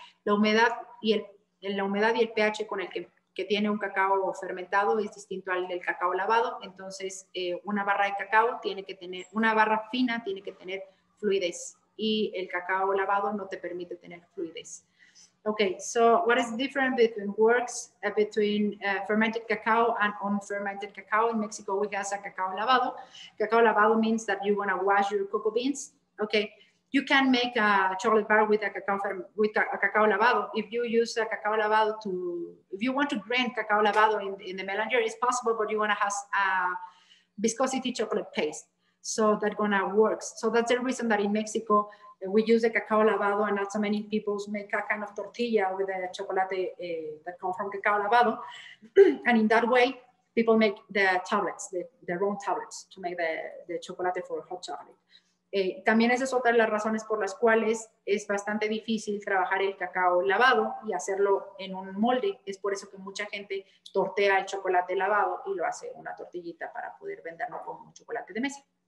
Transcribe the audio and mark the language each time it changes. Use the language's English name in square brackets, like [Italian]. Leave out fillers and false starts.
[Spanish] La humedad y el pH con el que tiene un cacao fermentado es distinto al del cacao lavado. Entonces, una barra de cacao tiene que tener, una barra fina tiene que tener fluidez, y el cacao lavado no te permite tener fluidez. [English] Okay, so what is the difference between fermented cacao and unfermented cacao? In Mexico, we have a cacao lavado. Cacao lavado means that you want to wash your cocoa beans. Okay, you can make a chocolate bar with a cacao lavado. If you use a cacao lavado if you want to grind cacao lavado in the melanger, it's possible, but you want to have a viscosity chocolate paste. So that gonna works. So that's the reason that in Mexico we use the cacao lavado, and not so many people make a kind of tortilla with the chocolate that come from cacao lavado. And in that way, people make the tablets, their own tablets to make the chocolate for hot chocolate. [Spanish] También esa es otra de las razones por las cuales es bastante difícil trabajar el cacao lavado y hacerlo en un molde. Es por eso que mucha gente tortea el chocolate lavado y lo hace una tortillita para poder venderlo como un chocolate de mesa.